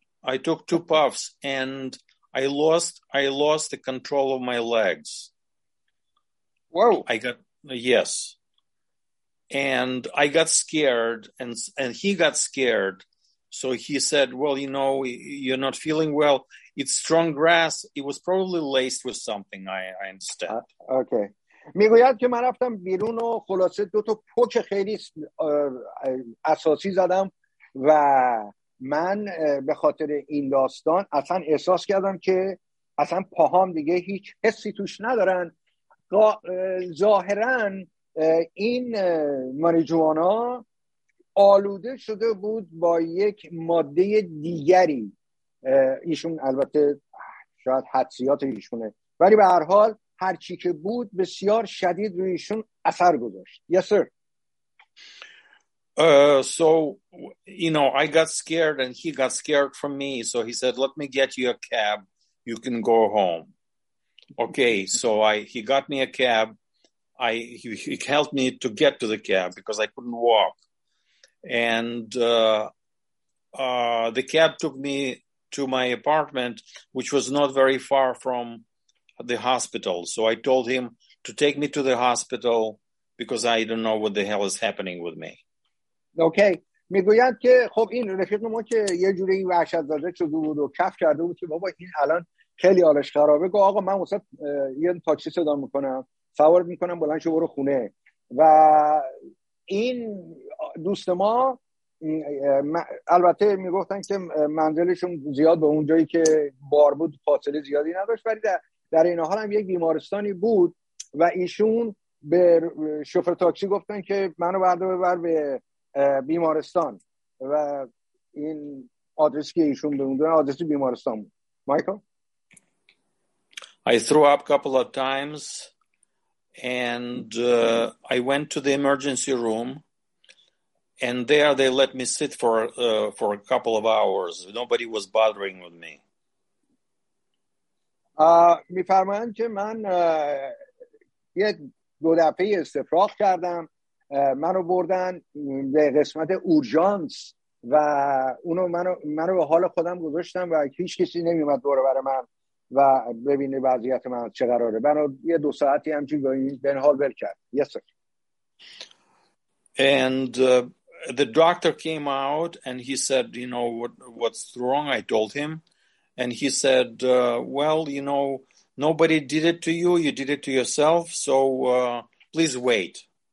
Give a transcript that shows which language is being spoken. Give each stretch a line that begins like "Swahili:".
English: I took two puffs and I lost the control of my legs. Whoa. Yes. And I got scared and he got scared. So he said, well, you know, you're not feeling well. It's strong grass. It was probably laced with something. I understand. Okay.
Persian: میگوید که من رفتم بیرون و خلاصه دو تا پوک خیلی اساسی زدم و من به خاطر این داستان اصلا احساس کردم که اصلا پاهام دیگه هیچ حسی توش ندارن. ظاهرا این ماریجوانا آلوده شده بود با یک ماده دیگری، ایشون البته شاید حدسیات ایشونه، ولی به هر حال هرچی که بود بسیار شدید روی ایشون اثر گذاشت.
English: Yes sir. So you know, I got scared and he got scared from me. So he said, "Let me get you a cab. You can go home." Okay. So he got me a cab. He helped me to get to the cab because I couldn't walk. And the cab took me to my apartment, which was not very far from the hospital. So I told him to take me to the hospital because I don't know what the hell is happening with me. Okay.
Persian: میگویند که خب این رفیق ما که یه جوری وحشت زده شده بود و کف کرده بود که بابا این الان خیلی حالش خرابه، گفت آقا من واسه یه تاکسی صدا میکنم، سوار میکنم، بلند شو برو خونه. و این دوست ما البته میگفتن که منزلشون زیاد به اون جایی که بار بود فاصله زیادی نداشت، ولی در این حال هم یک بیمارستانی بود و ایشون به شوفر تاکسی گفتن که منو ببر به بیمارستان و این آدرسی که ایشون به اون دادن آدرس بیمارستان بود. مایکل،
English: I threw up a couple of times and I went to the emergency room. And there they let me sit for a couple of hours. Nobody was bothering with me.
Persian: می فرمایند که من یه دو دفعه استفراغ کردم. منو بردن به قسمت اورژانس و اونو منو به حال خودم گذاشتم و هیچ کسی نمیومد دور بر من و ببینه وضعیت من چه قراره. منو یه دو ساعتی همچین به این حال بر کرد.
English: Yes, sir. And the doctor came out and he said, you know, what's wrong? I told him. And he said, well, you know, nobody did it to you. You did it to yourself. So please wait.